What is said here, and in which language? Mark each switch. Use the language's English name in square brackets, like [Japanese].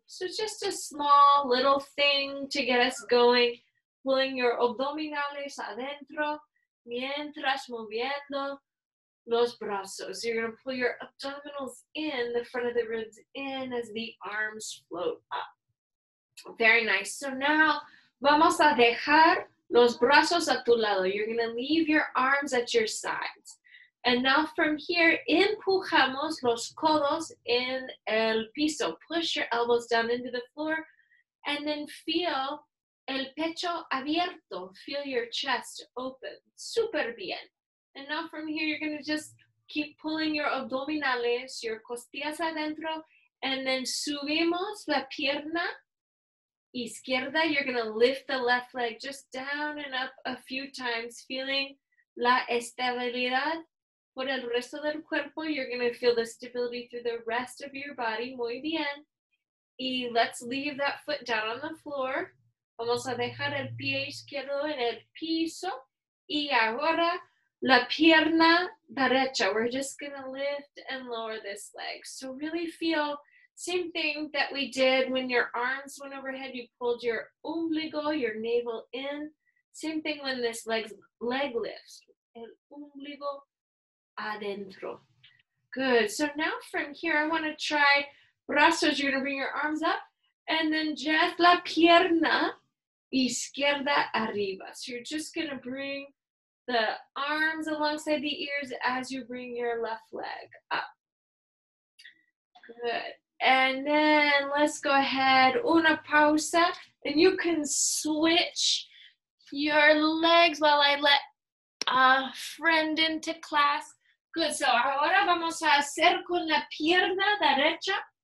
[English] So just a small little thing to get us going. Pulling your [Spanish] abdominales adentro. Mientras moviendo los brazos. [English] You're going to pull your abdominals in, the front of the ribs in as the arms float up. Very nice. So now, [Spanish] vamos a dejar los brazos a tu lado. [English] You're going to leave your arms at your sides. And now from here, [Spanish] empujamos los codos en el piso. [English] Push your elbows down into the floor and then feel [Spanish] el pecho abierto. [English] Feel your chest open. Super bien. And now from here, you're going to just keep pulling your [Spanish] abdominales, [English] your [Spanish] costillas adentro, [English] and then [Spanish] subimos la pierna izquierda. [English] You're going to lift the left leg just down and up a few times, feeling [Spanish] la estabilidad por el resto del cuerpo. [English] You're going to feel the stability through the rest of your body. [Spanish] Muy bien. [English] Y let's leave that foot down on the floor. [Spanish] Vamos a dejar el pie izquierdo en el piso. Y ahora la pierna derecha. [English] We're just going to lift and lower this leg. So really feel same thing that we did when your arms went overhead. You pulled your ombligo, your navel in. Same thing when this leg lifts. [Spanish] El ombligo adentro. [English] Good. So now from here, I want to try brazos. You're going to bring your arms up. And then just [Spanish] la pierna izquierda arriba. [English] So you're just going to bring the arms alongside the ears as you bring your left leg up. Good. And then let's go ahead, [Spanish] una pausa, [English] and you can switch your legs while I let a friend into class. Good. [Spanish] So ahora vamos a hacer con la pierna derecha.